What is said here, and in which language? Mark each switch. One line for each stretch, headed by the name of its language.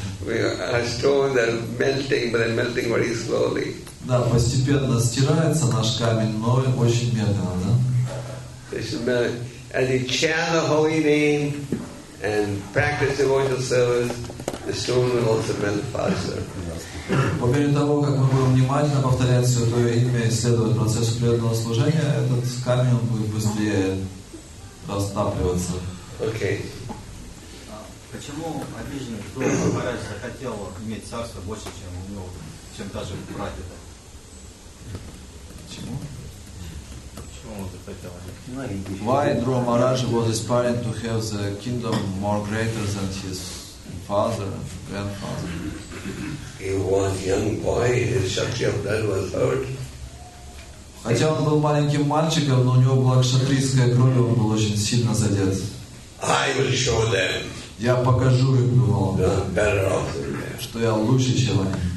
English: We are stone that melting, but they're melting very slowly.
Russian: Да, постепенно стирается наш камень, но очень медленно, да?
English: As you chant the holy name and practice devotional service, the stone will also melt faster.
Russian: По мере того, как мы будем внимательно повторять святое имя и следовать процессу преданного служения, этот камень будет быстрее растапливаться.
English: Okay.
Russian: Почему обиженный, кто Махарадж захотел иметь царство больше, чем у него, чем даже у прадеда? Почему? Почему он захотел?
English: Why Dhruva Maharaj was aspiring to have the kingdom more greater than his father and grandfather? He was a young boy, his Kshatriya blood was hurt.
Russian: Хотя он был маленьким мальчиком, но у него была кшатрийская кровь, он был очень сильно задет.
English: I will show them.
Russian: Я покажу им, думал, что я лучше, чем они.